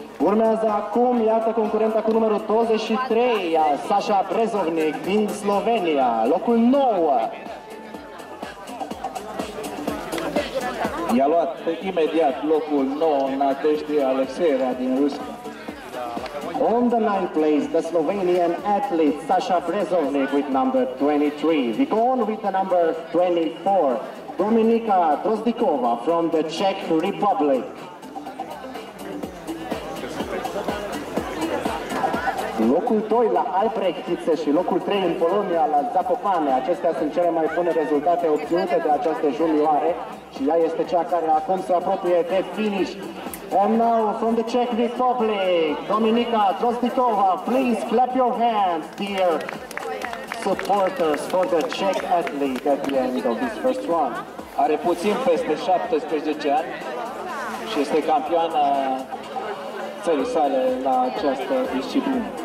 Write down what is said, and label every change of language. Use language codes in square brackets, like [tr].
[ro] Urmează acum, iată, concurenta cu numărul 23, Sasha Brezovnik din Slovenia, locul 9. I-a luat imediat locul 9 în Nadezhda Alexeeva din Rusia. [en] On the 9th place, the Slovenian athlete Sasha Brezovnik with number 23. We go on with the number 24, Dominika Drozdikova from the Czech Republic. [ro] Locul 2 la Albrechtițe și locul 3 în Polonia la Zakopane. Acestea sunt cele mai bune rezultate obținute de aceste junioare. Și ea este cea care acum se apropie de finish. [en] And now from the Czech Republic, Dominika Drozdikova, please clap your hands, dear supporters for the Czech athlete at the end of this first round. [ro] Are puțin peste 17 ani și este campioană țării sale la această disciplină.